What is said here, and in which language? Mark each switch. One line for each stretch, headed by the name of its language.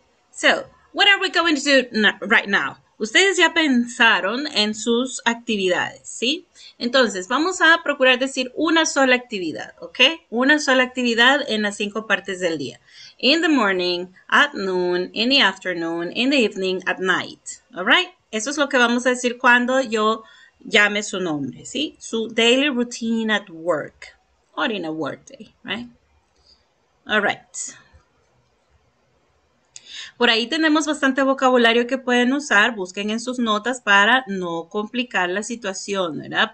English: So, what are we going to do right now?
Spanish: Ustedes ya pensaron en sus actividades, ¿sí? Entonces, vamos a procurar decir una sola actividad, ¿ok? Una sola actividad en las cinco partes del día.
English: In the morning, at noon, in the afternoon, in the evening, at night. All right?
Spanish: Eso es lo que vamos a decir cuando yo llame su nombre, ¿sí?
English: Su daily routine at work, or in a work day, right? All right.
Spanish: Por ahí tenemos bastante vocabulario que pueden usar. Busquen en sus notas para no complicar la situación, ¿verdad?